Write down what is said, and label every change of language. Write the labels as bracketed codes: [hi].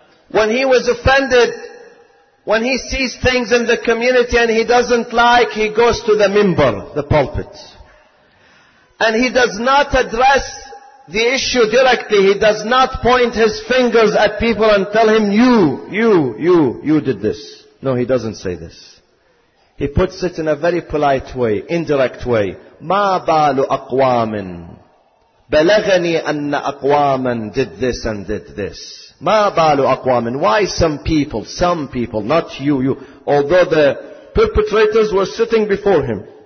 [en] When he was offended, When he sees things in the community and he doesn't like, he goes to the minbar, the pulpit. And he does not address the issue directly. He does not point his fingers at people and tell him, you did this. No, he doesn't say this. He puts it in a very polite way, indirect way. [ar] مَا بَالُ أَقْوَامٍ بَلَغَنِي أَنَّ أَقْوَامًا [en] did this and did this. [ar] مَا بَالُ أَقْوَامٍ [en] Why some people, not you. Although the perpetrators were sitting before him.